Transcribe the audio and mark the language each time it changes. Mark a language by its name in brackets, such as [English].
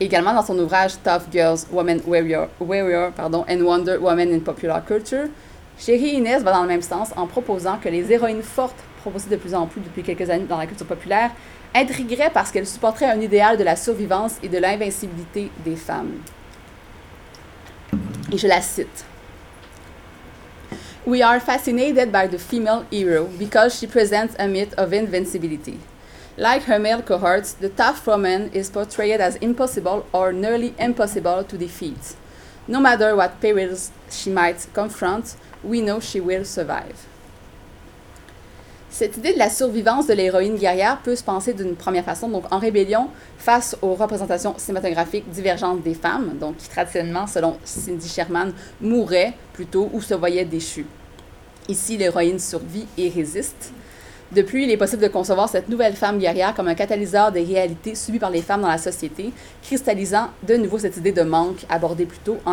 [French] Également dans son ouvrage « Tough Girls, Women Warrior pardon, and Wonder Woman in Popular Culture », Sherry Innes va dans le même sens en proposant que les héroïnes fortes proposées de plus en plus depuis quelques années dans la culture populaire intrigueraient parce qu'elles supporteraient un idéal de la survivance et de l'invincibilité des femmes. Et je la cite. [English] We are fascinated by the female hero because she presents a myth of invincibility. Like her male cohorts, the tough woman is portrayed as impossible or nearly impossible to defeat. No matter what perils she might confront, we know she will survive. [French] Cette idée de la survivance de l'héroïne guerrière peut se penser d'une première façon, donc en rébellion face aux représentations cinématographiques divergentes des femmes, donc qui traditionnellement, selon Cindy Sherman, mouraient plutôt ou se voyaient déchues. Ici, l'héroïne survit et résiste. Depuis, il est possible de concevoir cette nouvelle femme guerrière comme un catalyseur des réalités subies par les femmes dans la société, cristallisant de nouveau cette idée de manque abordée plus tôt.